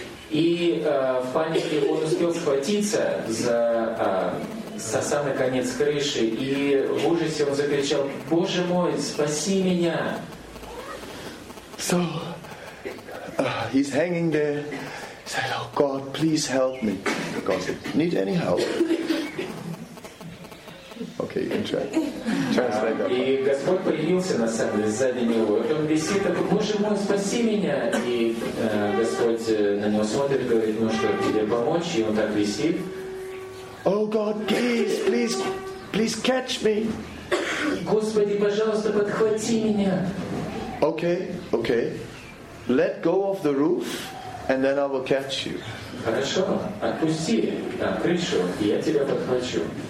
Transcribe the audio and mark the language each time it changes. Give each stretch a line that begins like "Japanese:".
Russian: И в панике он успел схватиться за самый конец крыши, и в ужасе он закричал: «Боже мой, спаси меня!»
English: So, he's hanging there. He said, "Oh God, please help me, because I need any help." Okay, you can try. Translate that.
Russian: И Господь появился на самом деле сзади него. Он висит, такой: "Боже мой, спаси меня!" И Господь на него смотрит, говорит: "Ну что, тебе помочь?" И он так висит.
English: Oh God, please, please, please catch me.
Russian: Господи, пожалуйста, подхвати меня.
English: Okay, okay. Let go of the roof, and then I will catch you.
Russian: Хорошо, отпусти крышу, я тебя подхвачу.